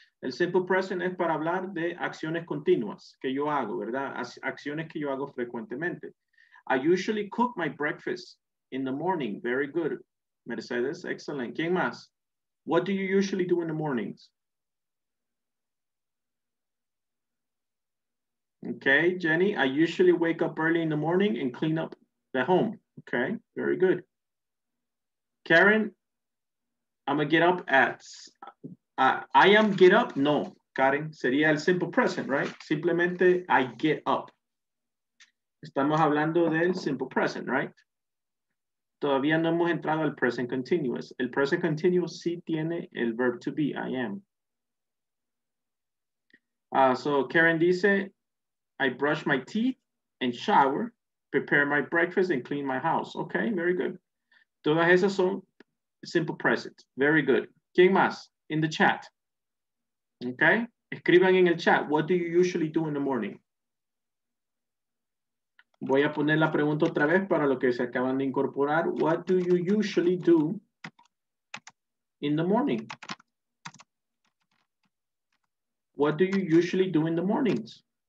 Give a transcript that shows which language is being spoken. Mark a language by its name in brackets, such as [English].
[Spanish] El simple present es para hablar de acciones continuas que yo hago, ¿verdad? Acciones que yo hago frecuentemente. [English] I usually cook my breakfast in the morning. Very good, Mercedes. Excellent. [Spanish] ¿Quién más? [English] What do you usually do in the mornings? Okay, Jenny, I usually wake up early in the morning and clean up the home. Okay, very good. Karen, Karen, [Spanish] sería el [English] simple present, right? [Spanish] Simplemente, [English] I get up. [Spanish] Estamos hablando del simple present, [English] right? [Spanish] Todavía no hemos entrado al present continuous. El present continuous sí tiene el verb to be, [English] I am. So Karen [Spanish] dice, [English] I brush my teeth and shower. Prepare my breakfast and clean my house. Okay, very good. [Spanish] Todas esas son [English] simple present. Very good. [Spanish] ¿Quién más? [English] In the chat. Okay. [Spanish] Escriban en el chat. [English] What do you usually do in the morning? [Spanish] Voy a poner la pregunta otra vez para los que se acaban de incorporar. [English] What do you usually do in the morning? What do you usually do in the mornings?